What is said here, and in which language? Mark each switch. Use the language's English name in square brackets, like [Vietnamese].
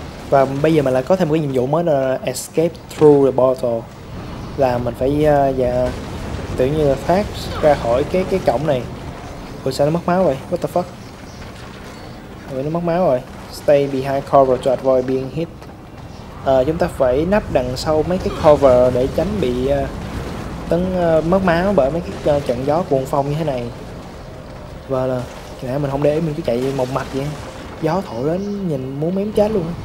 [Vietnamese] Và bây giờ mình lại có thêm một cái nhiệm vụ mới là [English] escape through the portal. [Vietnamese] Là mình phải tự nhiên là thoát ra khỏi cái cổng này. Ủa sao nó mất máu vậy? [English] What the fuck? [Vietnamese] Ủa nó mất máu rồi. [English] Stay behind cover to avoid being hit. [Vietnamese] Chúng ta phải nấp đằng sau mấy cái cover để tránh bị mất máu bởi mấy cái trận gió cuồng phong như thế này. Và là nãy mình không để ý, mình cứ chạy một mạch vậy. Gió thổi đến nhìn muốn mém chết luôn.